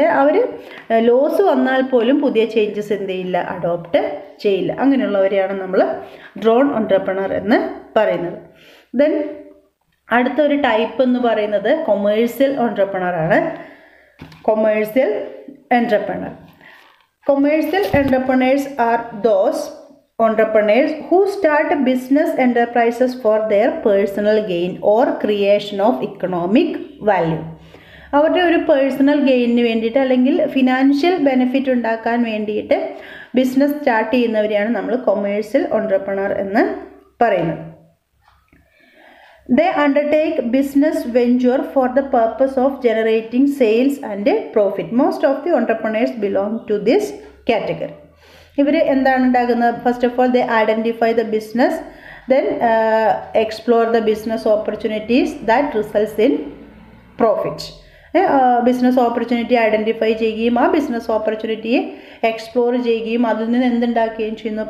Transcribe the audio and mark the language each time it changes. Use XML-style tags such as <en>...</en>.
<ml>അവർ loss വന്നാൽ പോലും പുതിയ ചേഞ്ചസ് എന്ത് ചെയ്യില്ല, അഡോപ്റ്റ് ചെയ്യില്ല. അങ്ങനെയുള്ളവരെയാണ് നമ്മൾ ഡ്രോൺ എന്റർപ്രണർ എന്ന് പറയുന്നത്. ദെൻ അടുത്ത ഒരു ടൈപ്പ് എന്ന് പറയുന്നത് കൊമേഴ്സ്യൽ എന്റർപ്രണർ ആണ്. Commercial entrepreneur,</ml> <en>Commercial entrepreneurs are those entrepreneurs who start business enterprises for their personal gain or creation of economic value.</en> <ml>അവരുടെ ഒരു പേഴ്സണൽ ഗെയിനിന് വേണ്ടിയിട്ട് അല്ലെങ്കിൽ ഫിനാൻഷ്യൽ ബെനിഫിറ്റ് ഉണ്ടാക്കാൻ വേണ്ടിയിട്ട് ബിസിനസ് സ്റ്റാർട്ട് ചെയ്യുന്നവരെയാണ് നമ്മൾ കൊമേഴ്സ്യൽ എന്റർപ്രണർ എന്ന് പറയുന്നത്.</ml> <en>They undertake business venture for the purpose of generating sales and profit. Most of the entrepreneurs belong to this category.</en> <ml>ഇവർ എന്താണ് ഉണ്ടാകുന്നത്?</ml> <en>First of all the identify the business, then explore the business opportunities that results in profit.</en> <ml>Business opportunity identify ചെയ്യുകയും ആ business ഓപ്പർച്യൂണിറ്റിയെ explore ചെയ്യുകയും അതിൽ നിന്ന് എന്തുണ്ടാക്കുകയും ചെയ്യുന്നു?</ml>